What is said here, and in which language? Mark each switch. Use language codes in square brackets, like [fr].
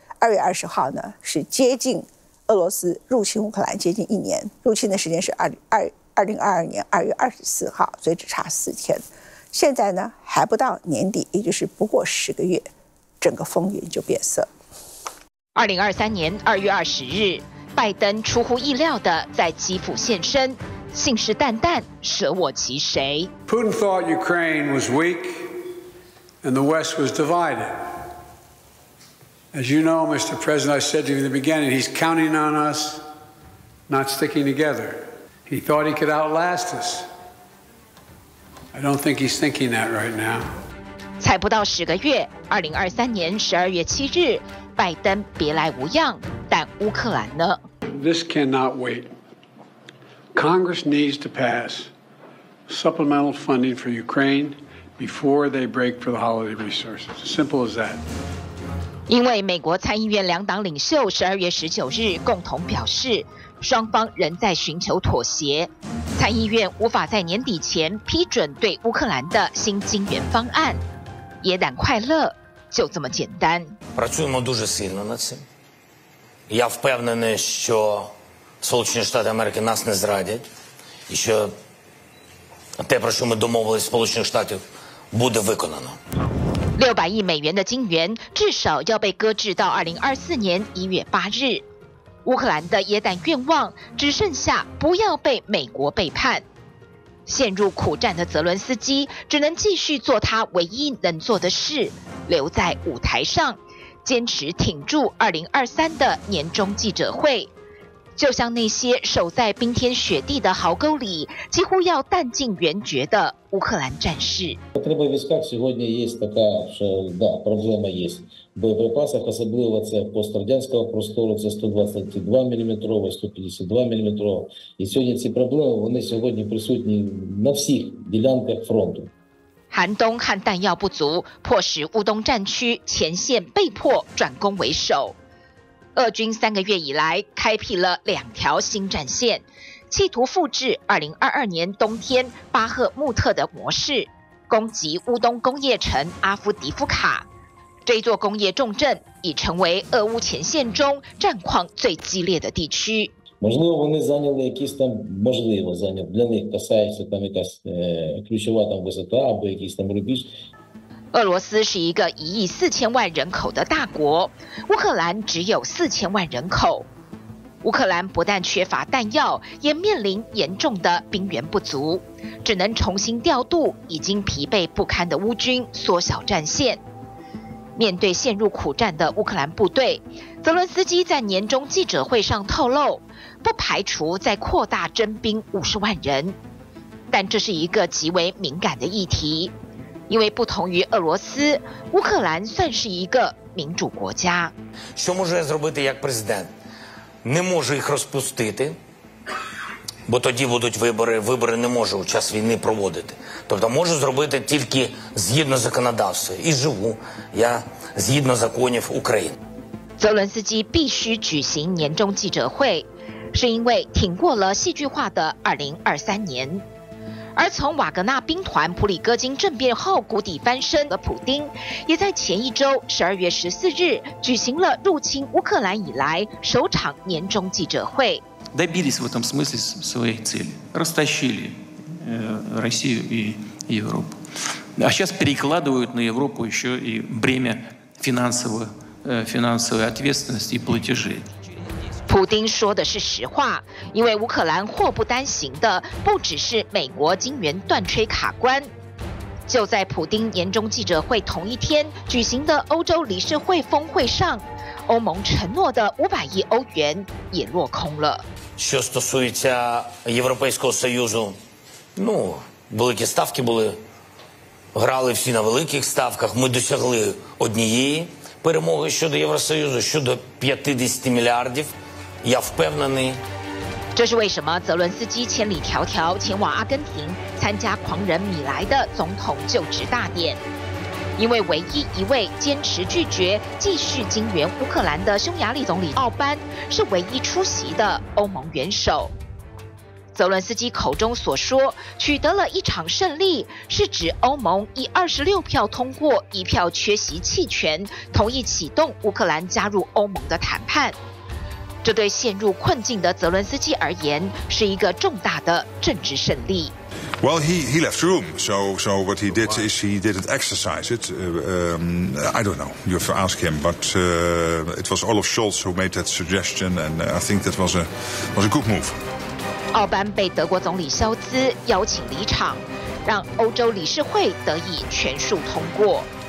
[zh] 2月20号呢是接近俄罗斯入侵乌克兰接近一年，入侵的时间是2022年2月24号，所以只差4天。现在呢还不到年底，也就是不过10个月，整个风云就变色。 2023年2月20日，拜登出乎意料的在基辅现身。信誓旦旦，舍我其谁。 [en] Putin thought Ukraine was weak and the West was divided. As you know, Mr. President, I said to you in the beginning, he's counting on us not sticking together. He thought he could outlast us. I don't think he's thinking that right now. [zh] 才不到十个月，2023年12月7日，拜登别来无恙，但乌克兰呢 [en] ？This cannot wait. Congress needs to pass supplemental funding for Ukraine before they break for the holiday recess. Simple as that. [zh] 因为美国参议院两党领袖12月19日共同表示，双方仍在寻求妥协，参议院无法在年底前批准对乌克兰的新金援方案。耶诞快乐，就这么简单。 [uk] Працюємо дуже сильно над цим. Я впевнений, що Сполучені Штати Америки нас не зрадять, і що те, про що ми домовились Сполучених Штатів, буде виконано. [zh] 600亿美元的金援至少要被搁置到2024年1月8日。乌克兰的耶诞愿望只剩下不要被美国背叛。陷入苦战的泽伦斯基只能继续做他唯一能做的事，留在舞台上，坚持挺住2023的年终记者会。就像那些守在冰天雪地的壕沟里，几乎要弹尽援绝的乌克兰战士。 [uk] Потреба в військах сьогодні є така, що да, проблема є. Боєприпасах, особливо це пострадянського простору, це 122-міліметрове, 152-міліметрове. І сьогодні ці проблеми, вони сьогодні присутні на всіх ділянках фронту. [zh] 寒冬和弹药不足，迫使乌东战区前线被迫转攻为守。俄军三个月以来开辟了两条新战线，企图复制2022年冬天巴赫穆特的模式，攻击乌东工业城阿夫迪夫卡。这座工业重镇已成为俄乌前线中战况最激烈的地区。 [uk] Можливо, вони зайняли якісь там, можливо, зайняли для них касається там якась ключова там висота або якісь там рубіж。 [zh] 俄罗斯是一个1.4亿人口的大国，乌克兰只有4000万人口。乌克兰不但缺乏弹药，也面临严重的兵源不足，只能重新调度已经疲惫不堪的乌军，缩小战线。面对陷入苦战的乌克兰部队，泽伦斯基在年终记者会上透露，不排除再扩大征兵50万人，但这是一个极为敏感的议题。因为不同于俄罗斯，乌克兰算是一个民主国家。 [uk] Що можу я зробити як президент? Не можу їх розпустити, Бо тоді будуть вибори, вибори не можу у час війни проводити. Тобто можу зробити тільки згідно законодавства. І живу я згідно законів України. [zh] Зеленський 必须举行年终记者会，是因为挺过了戏剧化的2023年。而从瓦格纳兵团普里戈金政变后谷底翻身的普丁，也在前一周12月14日举行了入侵乌克兰以来首场年终记者会。 [ru] Добились в этом смысле своей цели. Растащили Россию и Европу. А сейчас перекладывают на Европу еще и бремя финансовой ответственности и платежей. [zh] 普丁说的是实话，因为乌克兰祸不单行的不只是美国金元断炊卡关。就在普丁年终记者会同一天举行的欧洲理事会峰会上，欧盟承诺的500亿欧元也落空了。 [uk] Що стосується Європейського Союзу, ну, великі ставки були, грали всі на великих ставках, ми досягли однієї перемоги щодо Євросоюзу, щодо 50 мільярдів. [zh] 要不要呢？这是为什么泽伦斯基千里迢迢前往阿根廷参加狂人米莱的总统就职大典？因为唯一一位坚持拒绝继续金援乌克兰的匈牙利总理奥班是唯一出席的欧盟元首。泽伦斯基口中所说取得了一场胜利，是指欧盟以26票通过、1票缺席弃权，同意启动乌克兰加入欧盟的谈判。这对陷入困境的泽伦斯基而言是一个重大的政治胜利。 [en] Well, he left room. So what he did is he didn't exercise it. I don't know. You have to ask him. But it was Olaf Scholz who made that suggestion, and I think that was a good move. [zh] 奥班被德国总理肖兹邀请离场，让欧洲理事会得以全数通过。